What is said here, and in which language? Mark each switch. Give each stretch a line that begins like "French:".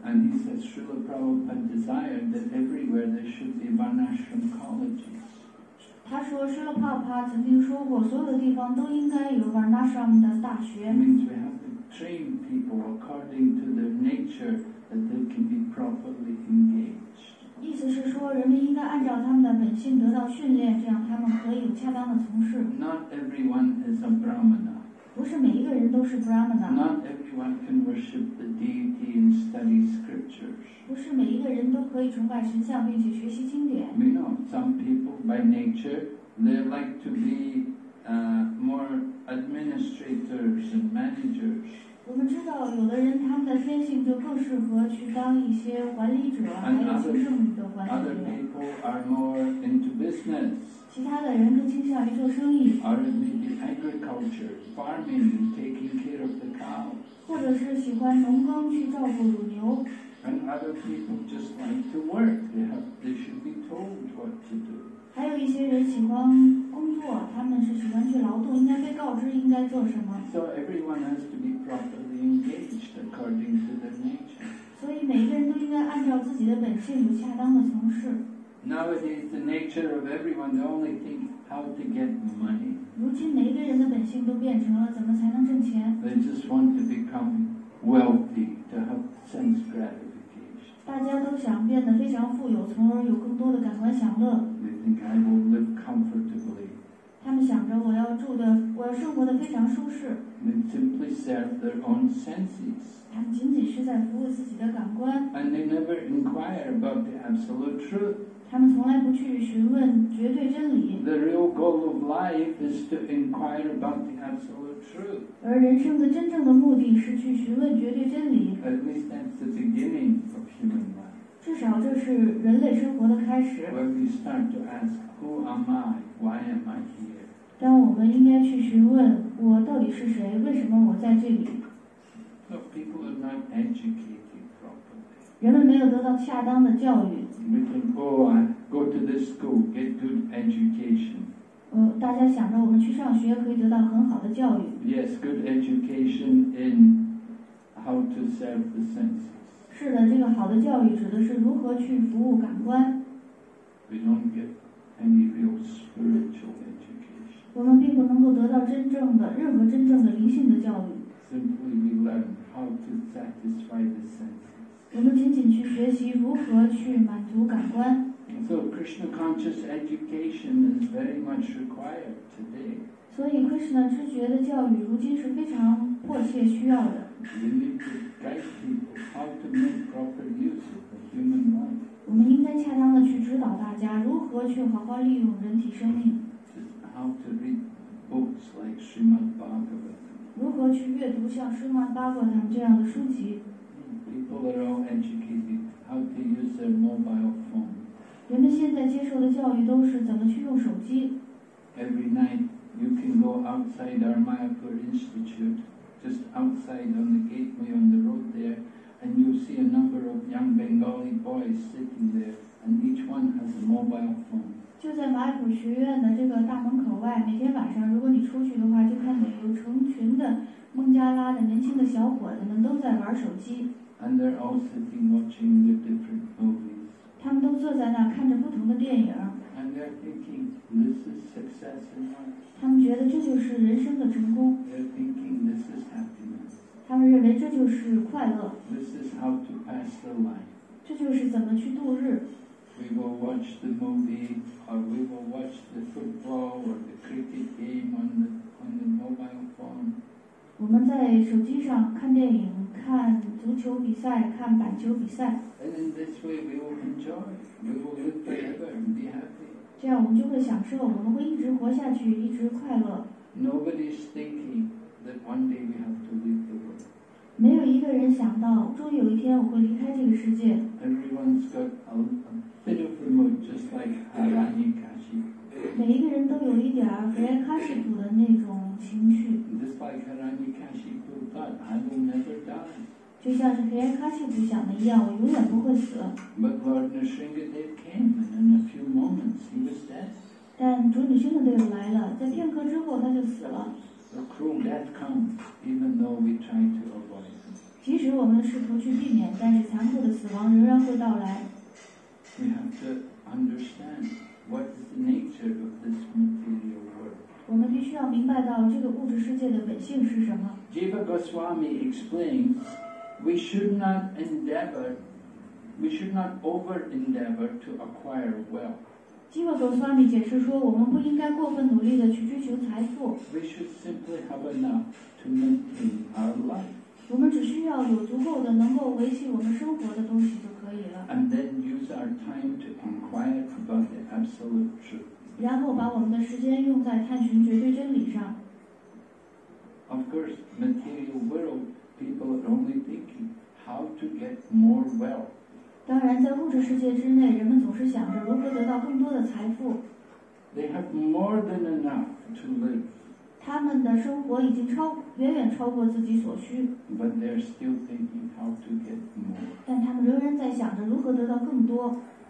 English: And he says Srila Prabhupada desired that everywhere there should be Varnashram colleges.
Chinese: 他说 Srila Prabhupada 曾经说过，所有的地方都应该有 Varnashram 的大学。
English: It means we have to train people according to their nature that they can be properly engaged.
Chinese: 意思是说，人们应该按照他们的本性得到训练，这样他们可以有恰当的从事。
English: Not everyone is a brahmana.
Chinese: 不是每一个人都是 brahmana.
English: Not everyone can worship the deity and study scriptures.
Chinese: 不是每一个人都可以崇拜神像并且学习经典。
English: You know, some people by nature they like to be more administrators and managers.
Chinese: 我们知道有的人他们的天性就更适合去当一些管理者，还有行政的管理者。
English: Other people are more into business.
Chinese: 其他的人更倾向于做生意。
English: Or maybe agriculture, farming, taking care of the cows.
Chinese: 或者是喜欢农耕去照顾乳牛。
English: And other people just like to work. They should be told what to do.
Chinese: 还有一些人喜欢工作，他们是喜欢去劳动，应该被告知应该做什么。
English: So everyone has to be properly engaged according to their nature.
Chinese: 所以按照自己的本性不恰当的从事。
English: Nowadays, the nature of everyone, they only think how to get money.
Chinese: 如今每一个人的本性都变成了怎么才能挣钱。
English: They just want to become wealthy to have sense gratification.
Chinese: 大家都想变得非常富有，从而有更多的感官享乐。
English: They think I will live comfortably.
Chinese: 他们想着我要生活得非常舒适。
English: They simply serve their own senses.
Chinese: 他们仅仅是在服务自己的感官。
English: And they never inquire about the absolute truth.
Chinese: 他们从来不去询问绝对真理。
English: The real goal of life is to inquire about the absolute truth.
Chinese: 而人生的真正的目的是去询问绝对真理。
English: At least that's the beginning of human life.
Chinese: 至少这是人类生活的开始。
English: When we start to ask, who am I? Why am I here?
Chinese: 当我们应该去询问我到底是谁？为什么我在这里？
English: So people are not educated properly.
Chinese: 人们没有得到恰当的教育。
English: We think, oh, I go to this school, get good education.
Chinese: 大家想着我们去上学可以得到很好的教育。
English: Yes, good education in how to serve the senses.
Chinese: 是的，这个好的教育指的是如何去服务感官。
English: We don't get any real spiritual education.
Chinese: 我们并不能够得到真正的任何真正的灵性的教育。
English: Simply we learn how to satisfy the senses.
Chinese: 我们仅仅去学习如何去满足感官。
English: So Krishna conscious education is very much required today.
Chinese: 所以 Krishna 知觉的教育如今是非常迫切需要的。
English: We need to guide people how to make proper use of the human mind.
Chinese: 我们应该恰当的去指导大家如何去好好利用人体生命。
English: Just how to read books like Srimad Bhagavatam.
Chinese: 如何去阅读像施曼巴格坦这样的书籍？
English: People are all educated how to use their mobile phone.
Chinese: 人们现在接受的教育都是怎么去用手机。
English: Every night you can go outside our Mayapur Institute, just outside on the gateway on the road there, and you see a number of young Bengali boys sitting there, and each one has a mobile phone.
Chinese: 就在马普学院的这个大门口外，每天晚上，如果你出去的话，就看到有成群的孟加拉的年轻的小伙子们都在玩手机。
English: And they're all sitting watching the different movies.
Chinese: 他们都坐在那看着不同的电影。
English: And they're thinking this is success in life.
Chinese: 他们觉得这就是人生的成功。
English: They're thinking this is happiness.
Chinese: 他们认为这就是快乐。
English: This is how to pass the life.
Chinese: 这就是怎么去度日。
English: We will watch the movie, or we will watch the football or the cricket game on the mobile phone.
Chinese: 我们在手机上看电影，看足球比赛，看板球比赛。
English: And in this way, we will enjoy. We will live forever and be happy.
Chinese: 这样我们就会享受，我们会一直活下去，一直快乐。
English: Nobody is thinking that one day we have to leave the world.
Chinese: 没有一个人想到，终于有一天我会离开这个世界。
English: Everyone's got a bit of remote, just like Hirani Kashipu.
Chinese: 每一个人都有一点儿 Hirani Kashipu 的那种情绪。
English: Just like Hirani Kashipu thought, I will never die.
Chinese: 就像是 Hirani Kashipu 想的一样，我永远不会死。
English: But Lord Nrisimhadev came, and in a few moments he was dead.
Chinese: 但主女性的队友来了，在片刻之后他就死了。
English: A cruel death comes, even though we try to avoid it.
Chinese: 即使我们试图去避免，但是残酷的死亡仍然会到来。
English: We have to understand what is the nature of this material world.
Chinese: 我们必须要明白到这个物质世界的本性是什么。
English: Jiva Goswami explains, we should not over endeavor to acquire wealth.
Chinese: 基瓦索斯瓦米解释说，我们不应该过分努力地去追求财富。
English: We should simply have enough to maintain our life.
Chinese: 我们只需要有足够的能够维系我们生活的东西就可以了。
English: And then use our time to inquire about the absolute truth.
Chinese: 然后把我们的时间用在探寻绝对真理上。
English: Of course, material world people are only thinking how to get more wealth.
Chinese: 当然，在物质世界之内，人们总是想着如何得到更多的财富。
English: They have more than enough to live.
Chinese: 他们的生活已经远远超过自己所需。
English: But they're still thinking how to get more.
Chinese: 但他们仍然在想着如何得到更多。